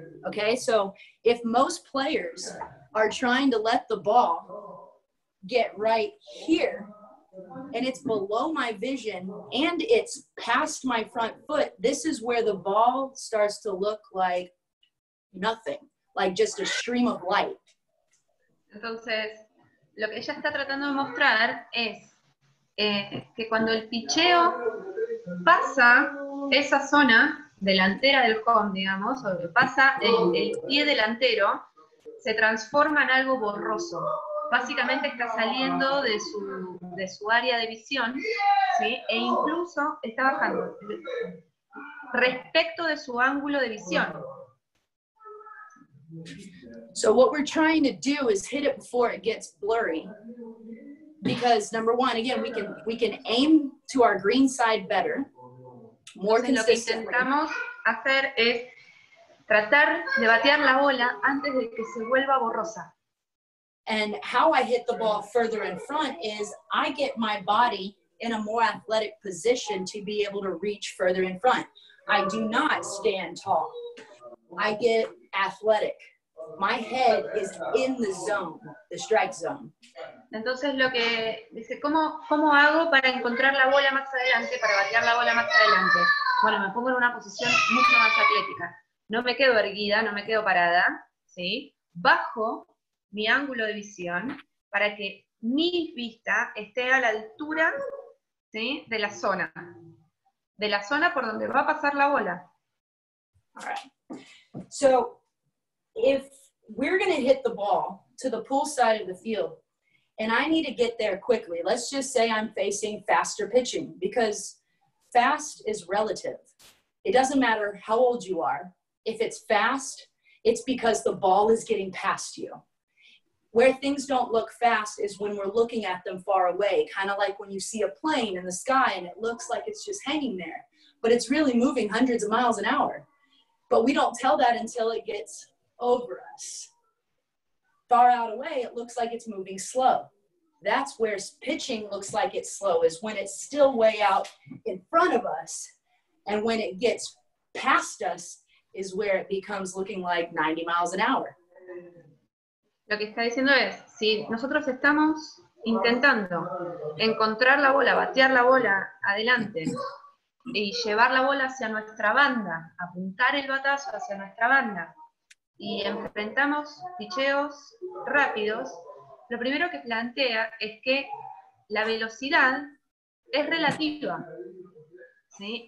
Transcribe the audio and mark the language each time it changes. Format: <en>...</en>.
<en>Okay, so if most players are trying to let the ball get right here and it's below my vision and it's past my front foot, this is where the ball starts to look like nothing, like just a stream of light.</en> <es>Entonces, lo que ella está tratando de mostrar es que cuando el picheo pasa esa zona delantera del home, digamos, o pasa el pie delantero, se transforma en algo borroso. Básicamente está saliendo de su área de visión, ¿sí? E incluso está bajando respecto de su ángulo de visión.</es> <en>So what we're trying to do is hit it before it gets blurry. Because number one, again, we can aim to our green side better, more consistently.</en> <es>Lo que intentamos hacer es tratar de batear la bola antes de que se vuelva borrosa.</es> <en>And how I hit the ball further in front is I get my body in a more athletic position to be able to reach further in front. I do not stand tall. I get athletic. My head is in the zone, the strike zone.</en> <es>Entonces lo que dice, ¿cómo hago para encontrar la bola más adelante, para batear la bola más adelante? Bueno, me pongo en una posición mucho más atlética. No me quedo erguida, no me quedo parada, ¿sí? Bajo mi ángulo de visión para que mi vista esté a la altura, ¿sí? de la zona por donde va a pasar la bola.</es> <en>All right. So if we're going to hit the ball to the pool side of the field and I need to get there quickly, let's just say I'm facing faster pitching, because fast is relative. It doesn't matter how old you are. If it's fast, it's because the ball is getting past you. Where things don't look fast is when we're looking at them far away, kind of like when you see a plane in the sky and it looks like it's just hanging there, but it's really moving hundreds of miles an hour. But we don't tell that until it gets over us. Far out away, it looks like it's moving slow. That's where pitching looks like it's slow, is when it's still way out in front of us. And when it gets past us is where it becomes looking like 90 miles an hour.</en> <es>Lo que está diciendo es, si nosotros estamos intentando encontrar la bola, batear la bola adelante y llevar la bola hacia nuestra banda, apuntar el batazo hacia nuestra banda y enfrentamos picheos rápidos, lo primero que plantea es que la velocidad es relativa, ¿sí?</es>